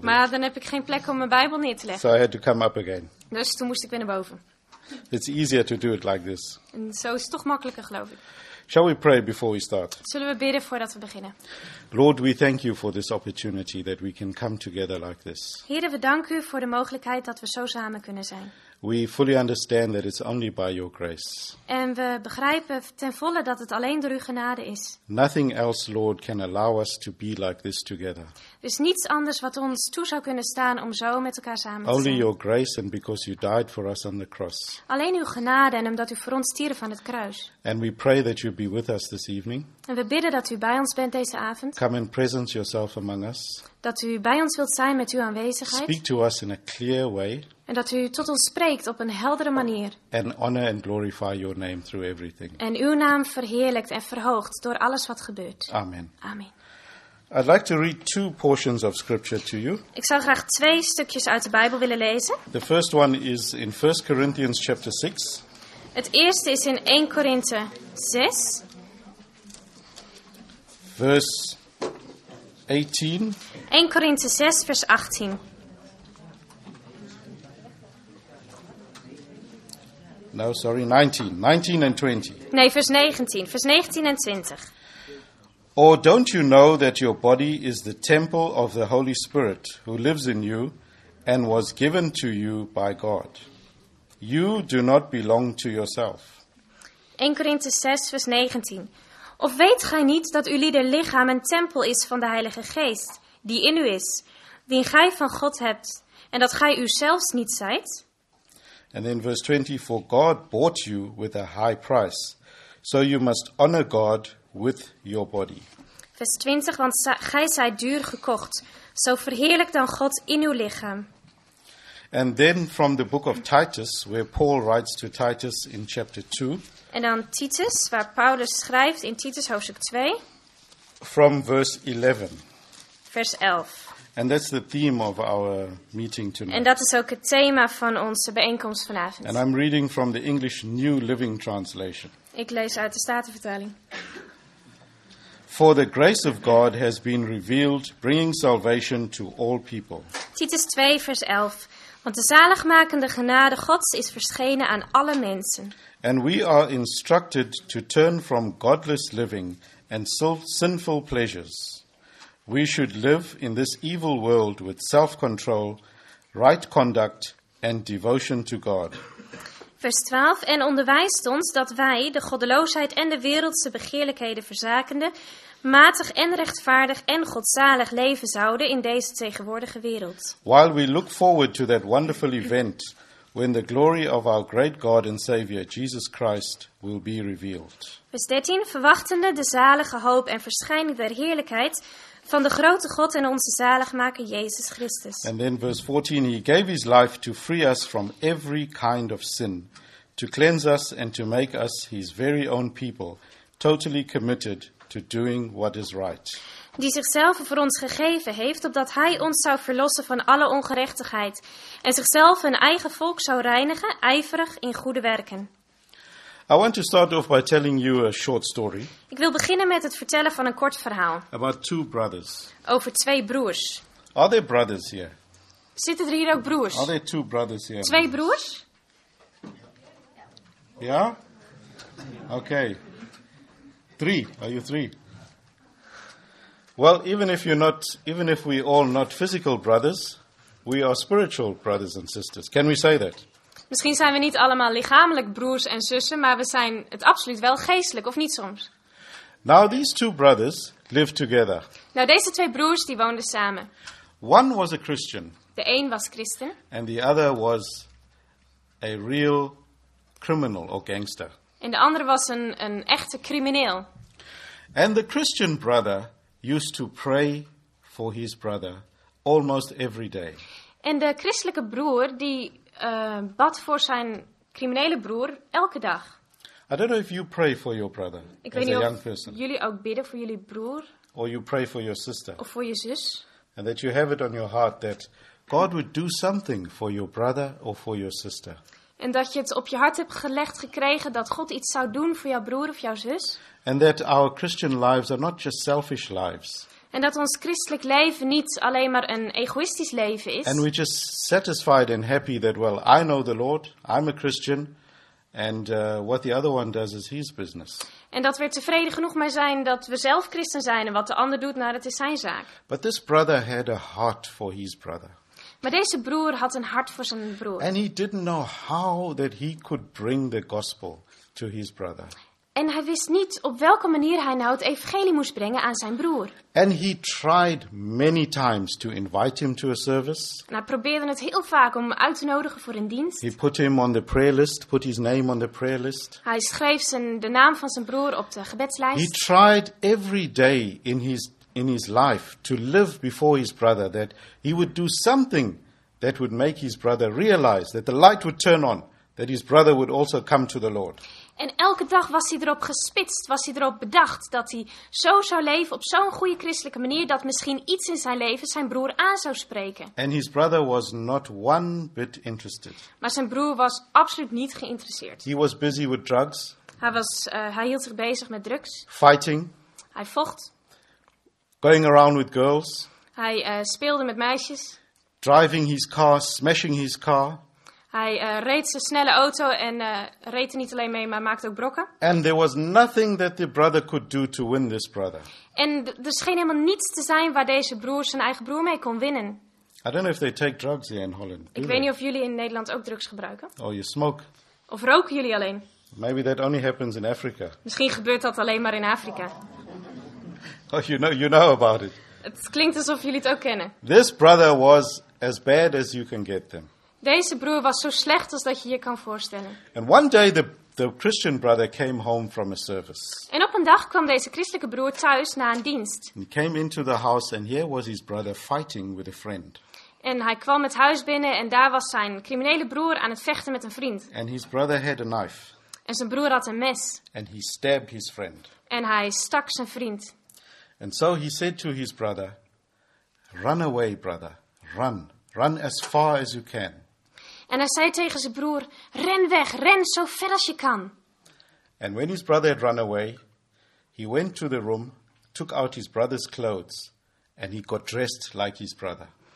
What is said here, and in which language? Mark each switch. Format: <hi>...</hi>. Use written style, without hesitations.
<nl>Maar dan heb ik geen plek om mijn Bijbel neer te leggen.</nl> <en>So I had to come up again.</en> <nl>Dus toen moest ik weer naar boven.</nl> <en>It's easier to do it like this.</en> <nl>En zo is het toch makkelijker, geloof ik.</nl> <en>Shall we pray before we start?</en> <nl>Zullen we bidden voordat we beginnen?</nl> <en>Lord, we thank you for this opportunity that we can come together like this.</en> <nl>Heere, we danken u voor de mogelijkheid dat we zo samen kunnen zijn.</nl> <en>We fully understand that it's only by your grace.</en> <nl>En we begrijpen ten volle dat het alleen door uw genade is.</nl> <en>Nothing else, Lord, can allow us to be like this together.</en> <nl>Dus niets anders wat ons toe zou kunnen staan om zo met elkaar samen te</nl> <en>only</en> <nl>zijn.</nl> <en>Only your grace and because you died for us on the cross.</en> <nl>Alleen uw genade en omdat u voor ons stierf van het kruis.</nl> <en>And we pray that you be with us this evening.</en> <nl>En we bidden dat u bij ons bent deze avond.</nl> <en>Come and present yourself among us.</en> <nl>Dat u bij ons wilt zijn met uw aanwezigheid.</nl> <en>Speak to us in a clear way.</en> <nl>En dat u tot ons spreekt op een heldere manier.</nl> <en>And honor and glorify your name through everything.</en> <nl>En uw naam verheerlijkt en verhoogt door alles wat gebeurt.</nl> <en>Amen.</en> <nl>Amen.</nl> <en>I'd like to read two portions of scripture to you.</en> <nl>Ik zou graag twee stukjes uit de Bijbel willen lezen.</nl> <en>The first one is in 1 Corinthians chapter 6.</en> <nl>Het eerste is in 1 Korinthe 6.</nl> <en>Verse 18.</en> <nl>1 Korinthe 6 vers 18.</nl> <en>No, sorry, 19 and 20.</en> <nl>Nee, vers 19. Vers 19 en 20.</nl> <en>Or don't you know that your body is the temple of the Holy Spirit who lives in you and was given to you by God? You do not belong to yourself.</en> <nl>1 Korinthe 6, vers 19. Of weet gij niet dat uw lieder lichaam een tempel is van de Heilige Geest, die in u is, die gij van God hebt, en dat gij uzelfs niet zijt?</nl> <en>And then verse 20, for God bought you with a high price, so you must honor God with your body.</en> <nl>Vers 20, want gij zijt duur gekocht, zo verheerlijk dan God in uw lichaam.</nl> <en>And then from the book of Titus, where Paul writes to Titus in chapter 2.</en> <nl>En dan Titus, waar Paulus schrijft in Titus hoofdstuk 2.</nl> <en>From verse 11.</en> <nl>Vers 11.</nl> <en>And that's the theme of our meeting tonight.</en> <nl>En dat is ook het thema van onze bijeenkomst vanavond.</nl> <en>And I'm reading from the English New Living Translation.</en> <nl>Ik lees uit de Statenvertaling.</nl> <en>For the grace of God has been revealed, bringing salvation to all people.</en> <nl>Titus 2 vers 11. Want de zaligmakende genade Gods is verschenen aan alle mensen.</nl> <en>And we are instructed to turn from godless living and sinful pleasures. We should live in this evil world with self-control, right conduct and devotion to God.</en> <nl>Vers 12. En onderwijst ons dat wij, de goddeloosheid en de wereldse begeerlijkheden verzakende, matig en rechtvaardig en godzalig leven zouden in deze tegenwoordige wereld.</nl> <en>While we look forward to that wonderful event when the glory of our great God and Savior Jesus Christ will be revealed.</en> <nl>Vers 13. Verwachtende de zalige hoop en verschijning der heerlijkheid van de grote God en onze zaligmaker Jezus Christus.</nl> <en>And then verse 14, he gave his life to free us from every kind of sin, to cleanse us and to make us his very own people, totally committed to doing what is right.</en> <nl>Die zichzelf voor ons gegeven heeft, opdat hij ons zou verlossen van alle ongerechtigheid en zichzelf een eigen volk zou reinigen, ijverig in goede werken.</nl> <en>I want to start off by telling you a short story.</en> <nl>Ik wil beginnen met het vertellen van een kort verhaal.</nl> <en>About two brothers.</en> <nl>Over twee broers.</nl> <en>Are there brothers here?</en> <nl>Zitten er hier ook broers?</nl> <en>Are there two brothers here?</en> <nl>Twee broers?</nl> <en>Ja? Okay. Three. Are you three? Well, even if we all not physical brothers, we are spiritual brothers and sisters. Can we say that?</en> <nl>Misschien zijn we niet allemaal lichamelijk broers en zussen, maar we zijn het absoluut wel geestelijk, of niet soms?</nl> <en>Now these two brothers lived together.</en> <nl>Nou, deze twee broers die woonden samen.</nl> <en>One was a Christian.</en> <nl>De een was christen.</nl> <en>And the other was a real criminal or gangster.</en> <nl>En de andere was een echte crimineel.</nl> <en>And the Christian brother used to pray for his brother almost every day.</en> <nl>En de christelijke broer die bad voor zijn criminele broer elke dag.</nl> <en>I don't know if you pray for your brother.</en> <nl>Ik weet niet</nl> <en>a young</en> <nl>of</nl> <en>person.</en> <nl>Jullie ook bidden voor jullie broer.</nl> <en>Or you pray for your sister.</en> <nl>Of voor je zus.</nl> <en>And that you have it on your heart that God would do something for your brother or for your sister.</en> <nl>En dat je het op je hart hebt gelegd gekregen dat God iets zou doen voor jouw broer of jouw zus.</nl> <en>And that our Christian lives are not just selfish lives.</en> <nl>En dat ons christelijk leven niet alleen maar een egoïstisch leven is.</nl> <en>And we're just satisfied and happy that, well, I know the Lord, I'm a Christian, and what the other one does is his business.</en> <nl>En dat we er tevreden genoeg mee zijn dat we zelf christen zijn en wat de ander doet, nou, dat is zijn zaak.</nl> <en>But this brother had a heart for his brother.</en> <nl>Maar deze broer had een hart voor zijn broer.</nl> <en>And he didn't know how that he could bring the gospel to his brother.</en> <nl>En hij wist niet op welke manier hij nou het evangelie moest brengen aan zijn broer.</nl> <en>And he tried many times to invite him to a service.</en> <nl>En hij probeerde het heel vaak om hem uit te nodigen voor een dienst.</nl> <en>He put him on the prayer list, put his name on the prayer list.</en> <nl>Hij schreef de naam van zijn broer op de gebedslijst.</nl> <en>He tried every day in his life to live before his brother that he would do something that would make his brother realize that the light would turn on, that his brother would also come to the Lord.</en> <nl>En elke dag was hij erop gespitst, was hij erop bedacht dat hij zo zou leven op zo'n goede christelijke manier dat misschien iets in zijn leven zijn broer aan zou spreken.</nl> <en>And his brother was not one bit interested.</en> <nl>Maar zijn broer was absoluut niet geïnteresseerd.</nl> <en>He was busy with drugs.</en> <nl>Hij hield zich bezig met drugs.</nl> <en>Fighting.</en> <nl>Hij vocht.</nl> <en>Going around with girls.</en> <nl>Hij speelde met meisjes.</nl> <en>Driving his car, smashing his car.</en> <nl>Hij reed zijn snelle auto en reed er niet alleen mee, maar maakte ook brokken.</nl> <en>And there was nothing that the brother could do to win this brother.</en> <nl>En er scheen helemaal niets te zijn waar deze broer zijn eigen broer mee kon winnen.</nl> <en>I don't know if they take drugs here in Holland.</en> <nl>Ik weet niet of jullie in Nederland ook drugs gebruiken.</nl> <en>Oh, you smoke.</en> <nl>Of roken jullie alleen?</nl> <en>Maybe that only happens in Africa.</en> <nl>Misschien gebeurt dat alleen maar in Afrika.</nl> <en>Oh, you know about it.</en> <nl>Het klinkt alsof jullie het ook kennen.</nl> <en>This brother was as bad as you can get them.</en> <nl>Deze broer was zo slecht als dat je je kan voorstellen.</nl> <en>And one day the Christian brother came home from a service.</en> <nl>En op een dag kwam deze christelijke broer thuis na een dienst.</nl> <en>He came into the house and here was his brother fighting with a friend.</en> <nl>En hij kwam het huis binnen en daar was zijn criminele broer aan het vechten met een vriend.</nl> <en>And his brother had a knife.</en> <nl>En zijn broer had een mes.</nl> <en>And he stabbed his friend.</en> <nl>En hij stak zijn vriend.</nl> <en>And so he said to his brother, run away, brother, run. Run as far as you can.</en> <nl>En hij zei tegen zijn broer, ren weg, ren zo ver als je kan.</nl> <en>And when his brother had run away, he went to the room, took out his brother's clothes, and he got dressed like his brother.</en>